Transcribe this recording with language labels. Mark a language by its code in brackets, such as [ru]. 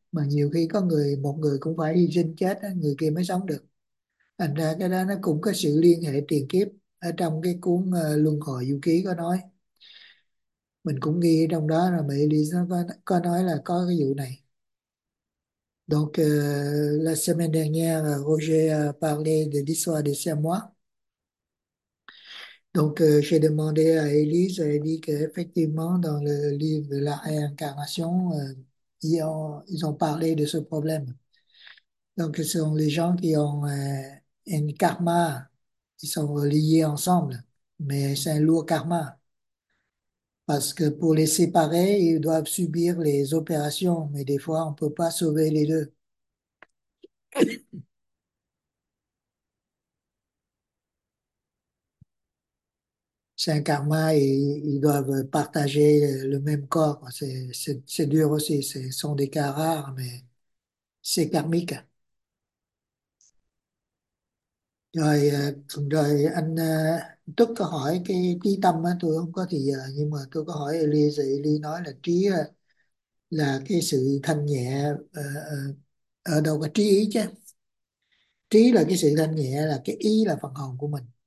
[vi] Mà nhiều khi có người, một người cũng phải hy sinh chết, người kia mới sống được. Thành ra cái đó nó cũng có sự liên hệ tiền kiếp. Ở trong cái cuốn Luân Hồi Du Ký có nói, mình cũng ghi trong đó là mẹ Elise có nói là có cái vụ này. [fr] Donc la semaine dernière Roger a parlé de l'histoire de Samoa. Donc j'ai demandé à Elise, elle dit qu'effectivement dans le livre de la réincarnation ils ont parlé de ce problème. Donc, ce sont les gens qui ont un karma, qui sont reliés ensemble, mais c'est un lourd karma. Parce que pour les séparer, ils doivent subir les opérations, mais des fois, on ne peut pas sauver les deux. C'est un karma et ils doivent partager le même corps. C'est dur aussi, ce sont des cas rares, mais c'est karmique. [vi] Rồi anh Tức có hỏi cái trí tâm á, tôi không có thì giờ, nhưng mà tôi có hỏi Eli, Eli nói là trí là cái sự thanh nhẹ ở đâu, có trí ý chứ. Trí là cái sự thanh nhẹ, là cái ý là phần hồn của mình.